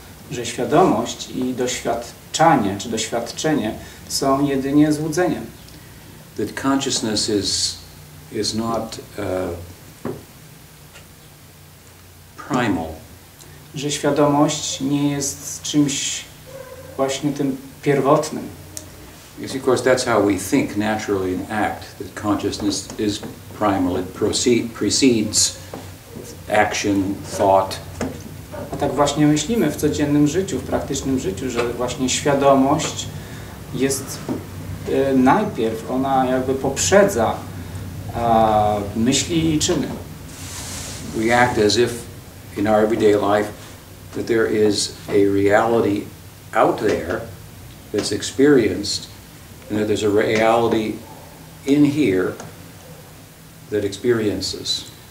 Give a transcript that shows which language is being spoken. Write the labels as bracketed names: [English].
[Polish] Że świadomość i doświadczanie, czy doświadczenie, są jedynie złudzeniem. [English] That consciousness is not primal. [Polish] Że świadomość nie jest czymś właśnie tym pierwotnym. [English] Yes, of course, that's how we think naturally and act, that consciousness is primal, it precedes action, thought. [Polish] A tak właśnie myślimy w codziennym życiu, w praktycznym życiu, że właśnie świadomość jest najpierw, ona jakby poprzedza myśli i czyny. [English] We act as if in our everyday life that there is a reality out there that's experienced, and that there's a reality in here that experiences.